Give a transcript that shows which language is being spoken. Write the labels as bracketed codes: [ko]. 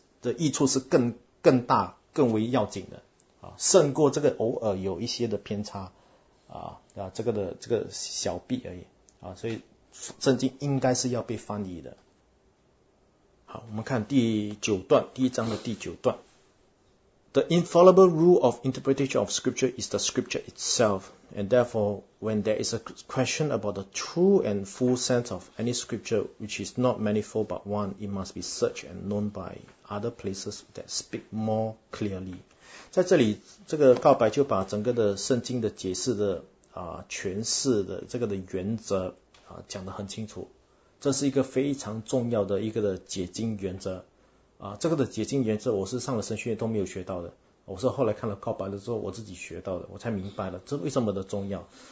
[zh] 的益处是更大更为要紧的啊，胜过这个偶尔有一些的偏差啊这个小弊而已啊，所以圣经应该是要被翻译的。好，我们看第九段，第一章的第九段。 [en] The infallible rule of interpretation of scripture is the scripture itself, and therefore, when there is a question about the true and full sense of any scripture, which is not manifold but one, it must be searched and known by other places that speak more clearly. [zh] 在这里，这个告白就把整个的圣经的解释的诠释的这个的原则讲得很清楚。这是一个非常重要的一个的解经原则这个的解经原则我是上了神学院都没有学到的，我是后来看了告白了之后我自己学到的，我才明白了这为什么的重要。